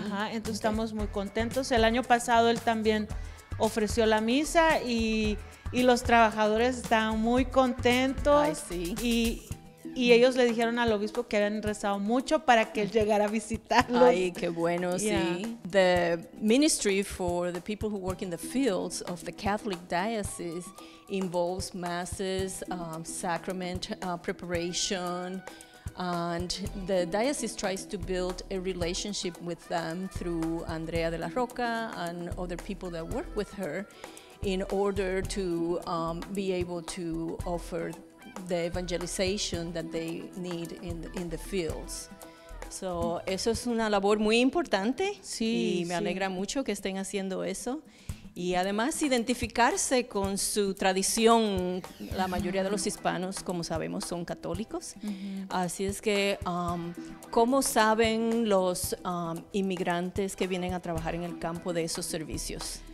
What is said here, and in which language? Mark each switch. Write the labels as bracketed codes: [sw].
[es] Entonces estamos muy contentos. El año pasado él también ofreció la misa y los trabajadores estaban muy contentos. Ay, sí. Y, y ellos le dijeron al obispo que habían rezado mucho para que él llegara a visitarlos. Ay, qué bueno, sí. [en] The ministry for the people who work in the fields of the Catholic diocese involves masses, sacrament preparation, and the diocese tries to build a relationship with them through Andrea de la Roca and other people that work with her in order to be able to offer the evangelization that they need in the fields. [es] So, eso es una labor muy importante. Sí, y me alegra mucho que estén haciendo eso. Y además identificarse con su tradición, la mayoría de los hispanos, como sabemos, son católicos. Uh-huh. Así es que, ¿cómo saben los inmigrantes que vienen a trabajar en el campo de esos servicios?